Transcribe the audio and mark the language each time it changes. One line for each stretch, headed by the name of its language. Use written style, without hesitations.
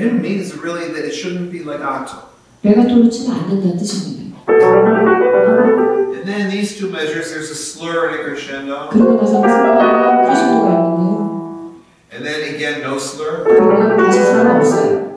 English: it means really that it shouldn't be legato.
Korean: 레가토로 치면 안 된다는 뜻입니다.
English: And then in these two measures, there's a slur and a crescendo.
Korean: 그리고 나서 슬러가 크레센도가 있는데요.
English: And then again, no slur.
Korean: 그리고 다시 슬러가 없어요.